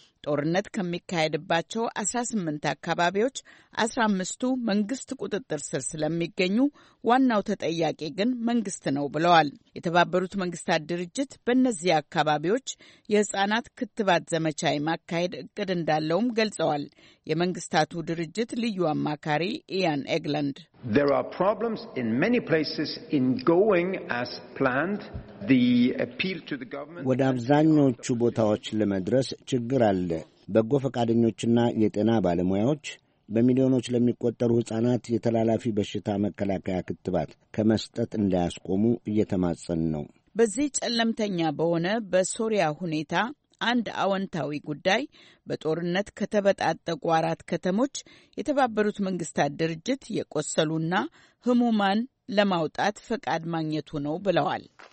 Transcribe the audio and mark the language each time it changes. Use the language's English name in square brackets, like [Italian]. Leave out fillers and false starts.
[Amharic] ጦርነት ከሚካሄድባቸው 18 አካባቢዎች 15ቱ መንግስት ቁጥጥር ስር ስለሚገኙ ዋናው ተጠያቂ ግን መንግስት ነው ብለዋል። የተባበሩት መንግስታት ድርጅት በእነዚህ አካባቢዎች የህፃናት ክትባት ዘመቻ የማካሄድ እቅድ እንዳለውም ገልጸዋል። የመንግስታቱ ድርጅት ልዩ አማካሪ ኢያን ኤግላንድ [English] There are problems in many places in going as planned. The appeal to the government [Amharic] ወደ አብዛኞቹ ቦታዎች ለመድረስ ችግር አለ። በጎ ፈቃደኞችና የጤና ባለሙያዎች በሚሊዮኖች ለሚቆጠሩ ህፃናት የተላላፊ በሽታ መከላከያ ክትባት ከመስጠት እንዳያስቆሙ እየተማጸን ነው። በዚህ ጨለምተኛ በሆነ በሶሪያ ሁኔታ አንድ አወንታዊ ጉዳይ በጦርነት ከተበጣጠቁ 4 ከተሞች የተባበሩት መንግስታት ድርጅት የቆሰሉና ህሙማን ለማውጣት ፈቃድ ማግኘቱ ነው ብለዋል።